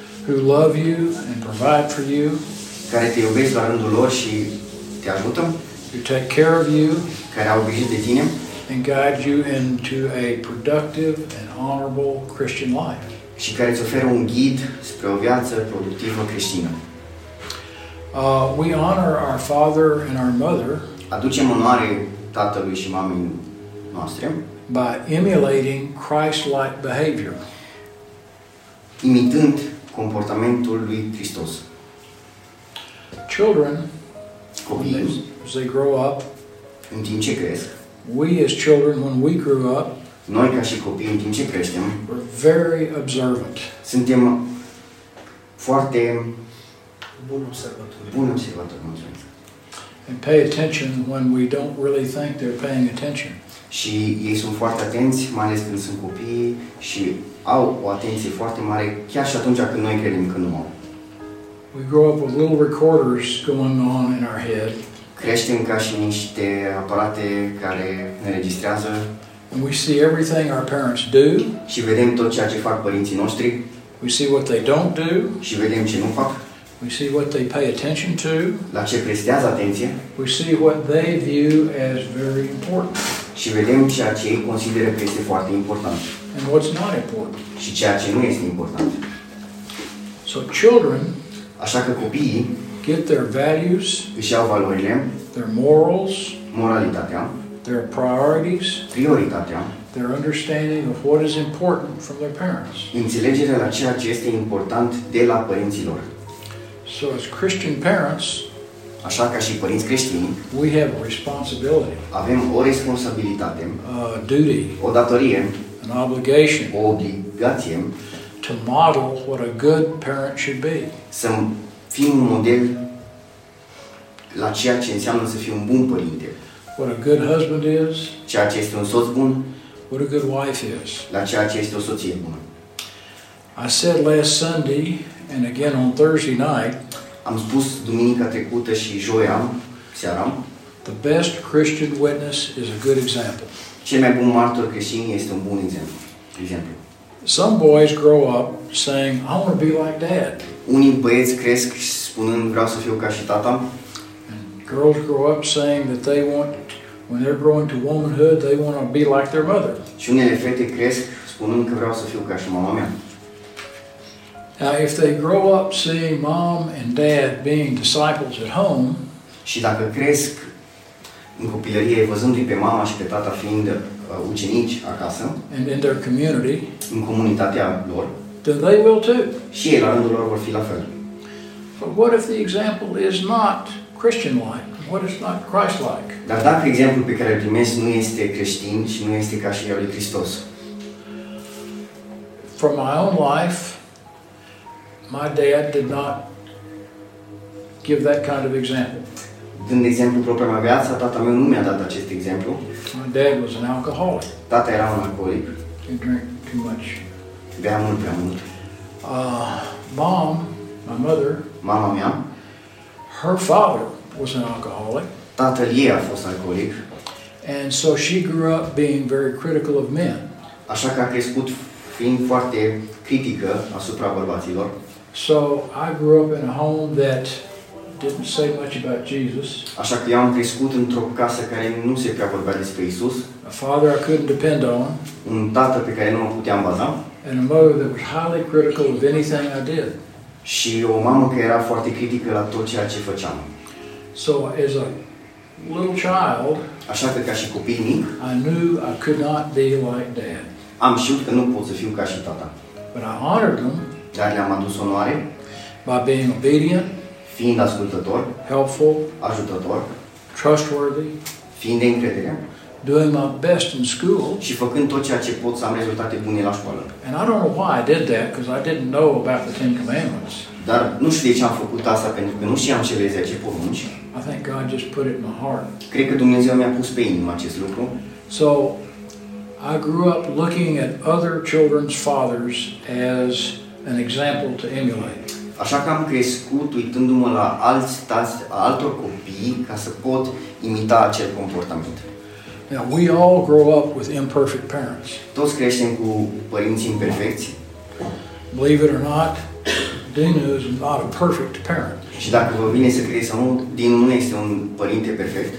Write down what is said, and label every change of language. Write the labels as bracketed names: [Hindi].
[English] Who love you and provide for you. [Romanian] Care te iubesc la rândul lor și te ajută. [English] Who take care of you. [Romanian] Care au grijă de tine. [English] And guide you into a productive and honorable Christian life. [Romanian] Și care îți oferă un ghid spre o viață productivă creștină. [English] We honor our father and our mother. [Romanian] Aducem onoare tatălui și mamei noastre. [English] By emulating Christ-like behavior. [Romanian] Imitând comportamentul lui Hristos. [English] Children, [Romanian] copii, [English] as they grow up, [Romanian] în timp ce cresc, [English] we as children, when we grew up, [Romanian] noi ca și copii, în timp ce creștem, [English] were very observant. [Romanian] Suntem foarte bun observator, mulțumesc. [English] And pay attention when we don't really think they're paying attention. [Romanian] Și ei sunt foarte atenți, mai ales când sunt copii și au o atenție foarte mare, chiar și atunci când noi credem că nu au. [English] We grow up with little recorders going on in our head. [Romanian] Creștem ca și niște aparate care ne registrează. [English] And we see everything our parents do. [Romanian] Și vedem tot ceea ce fac părinții noștri. [English] We see what they don't do. [Romanian] Și vedem ce nu fac. [English] We see what they pay attention to. [Romanian] La ce prestează atenție. [English] We see what they view as very important. [Romanian] Și vedem ceea ce ei consideră că este foarte important. [English] And what's not important. [Romanian] Și ceea ce nu este important. [English] So children, [Romanian] așa că copiii [English] get their values, [Romanian] își iau valorile, [English] their morals, [Romanian] moralitatea, [English] their priorities, [Romanian] prioritatea, [English] their understanding of what is important from their parents. [Romanian] Înțelegerea la ceea ce este important de la părinții lor. [English] So as Christian parents, [Romanian] așa ca și părinți creștini, [English] we have a responsibility, [Romanian] avem o responsabilitate, [English] a duty, [Romanian] o datorie, [English] an obligation, [Romanian] o obligație, [English] to model what a good parent should be. [Romanian] Să fii un model la ceea ce înseamnă să fii un bun părinte. [English] What a good husband is. [Romanian] Ceea ce este un soț bun. [English] What a good wife is. [Romanian] La ceea ce este o soție bună. [English] I said last Sunday and again on Thursday night. [Romanian] Am spus duminica trecută și joia seara. [English] The best Christian witness is a good example. [Romanian] Cel mai bun martor creștin este un bun exemplu. [English] Some boys grow up saying, "I want to be like dad." [Romanian] Unii băieți cresc spunând, vreau să fiu ca și tata. [English] And girls grow up saying that they want, when they're growing to womanhood, they want to be like their mother. [Romanian] Și unele fete cresc spunând că vreau să fiu ca și mama mea. [English] Now, if they grow up seeing mom and dad being disciples at home, [Romanian] și dacă cresc în copilărie văzându-i pe mama și pe tata fiind ucenici acasă, [English] and in their community, [Romanian] în comunitatea lor, [English] then they will too. [Romanian] Și ei la rândul lor vor fi la fel. [English] But what if the example is not Christian-like? What is not Christ-like? [Romanian] Dar dacă exemplul pe care îl primesc nu este creștin și nu este ca și al lui Hristos? [English] From my own life, my dad did not give that kind of example. [Romanian] Din exemplu propria mea viață, tata meu nu mi-a dat acest exemplu. [English] My dad was an alcoholic. [Romanian] Tata era un alcoolic. [English] He drank too much. [Romanian] Bea mult, prea mult. [English] mom, my mother, [Romanian] mama mea, [English] her father was an alcoholic. [Romanian] Tatăl ei a fost alcoolic. [English] And so she grew up being very critical of men. [Romanian] Așa că a crescut fiind foarte critică asupra bărbaților. [English] So I grew up in a home that didn't say much about Jesus. [Romanian] Așa că eu am crescut într-o casă care nu se prea vorbea despre Isus. [English] A father I couldn't depend on. [Romanian] Un tată pe care nu mă puteam baza. [English] And a mother that was highly critical of anything I did. [Romanian] Și o mamă care era foarte critică la tot ceea ce făceam. [English] So as a little child, [Romanian] așa că ca și copil mic, [English] I knew I could not be like dad. [Romanian] Am știut că nu pot să fiu ca și tata. [English] But I honored them. [Romanian] Dar le-am adus onoare. [English] By being obedient. [Romanian] Fiind ascultător. [English] Helpful. [Romanian] Ajutător. [English] Trustworthy. [Romanian] Fiind de încredere. [English] Doing my best in school. [Romanian] Și făcând tot ceea ce pot să am rezultate bune la școală. [English] And I don't know why I did that, because I didn't know about the Ten Commandments. [Romanian] Dar nu știu de ce am făcut asta, pentru că nu știam cele 10 porunci. [English] I think God just put it in my heart. [Romanian] Cred că Dumnezeu mi-a pus pe inimă acest lucru. [English] So I grew up looking at other children's fathers as an example to emulate. [Romanian] Așa că am crescut uitându-mă la alți tați, altor copii, ca să pot imita acel comportament. [English] Now we all grow up with imperfect parents. [Romanian] Toți creștem cu părinți imperfecți. [English] Believe it or not, Dinu is not a perfect parent. [Romanian] Și dacă vă vine să credeți sau nu, Dinu nu este un părinte perfect.